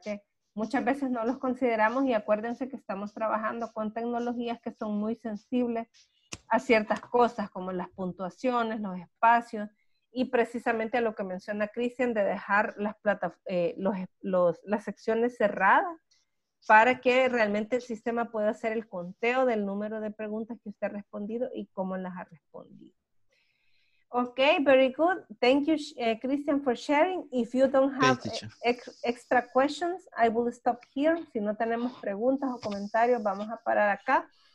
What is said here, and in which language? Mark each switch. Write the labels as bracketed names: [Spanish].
[Spanish] Que muchas veces no los consideramos y acuérdense que estamos trabajando con tecnologías que son muy sensibles a ciertas cosas como las puntuaciones, los espacios y precisamente a lo que menciona Cristian de dejar las secciones cerradas para que realmente el sistema pueda hacer el conteo del número de preguntas que usted ha respondido y cómo las ha respondido. [English] Ok, very good. Thank you, Christian, for sharing. If you don't have extra questions, I will stop here. [Spanish] Si no tenemos preguntas o comentarios, vamos a parar acá.